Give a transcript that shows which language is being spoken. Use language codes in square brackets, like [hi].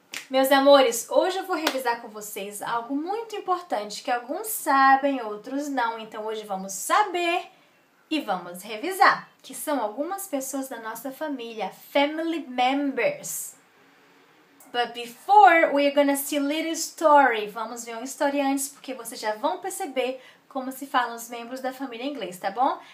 [pt] Meus amores, hoje eu vou revisar com vocês algo muito importante que alguns sabem, outros não. Então hoje vamos saber e vamos revisar, que são algumas pessoas da nossa família, [en] family members. But before, we're gonna see a little story. [pt] Vamos ver uma história antes, porque vocês já vão perceber como se falam os membros da família em inglês, tá bom?